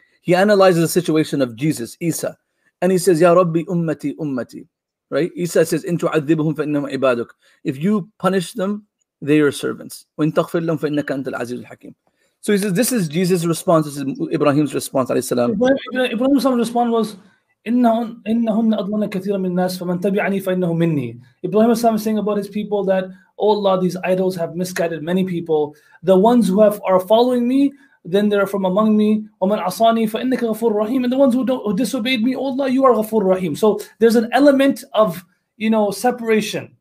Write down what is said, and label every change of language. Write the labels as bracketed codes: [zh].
[en] He analyzes the situation of Jesus, Isa. And he says, [ar] Ya Rabbi ummati ummati. [en] Right, Isa says, [ar] "In tu'adhibhum fa innahum ibaduk." [en] If you punish them, they are servants. [ar] وَإِن تَغْفِرْ لَهُمْ فَإِنَّكَ أَنْتَ الْعَزِيزُ الْحَكِيمُ. [en] So he says, "This is Jesus' response. This is Ibrahim's response." [ar] عليه السلام. [en] Ibrahim's response was, [ar] "إِنَّهُنَّ أَضْلَلْنَا كَثِيرًا مِنَ النَّاسِ فَمَنْ تَبِعَنِي فَإِنَّهُ مِنِّي." [en] Ibrahim is saying about his people that, "Oh Allah, these idols have misguided many people. The ones who are following me, then they're from among me. [ar] وَمَنْ عَصَانِي فَإِنَّكَ غَفُورُ رَحِيمٌ. [en] And the ones who disobeyed me, oh Allah, you are [ar] غَفُورُ رَحِيمٌ." [en] So there's an element of, you know, separation.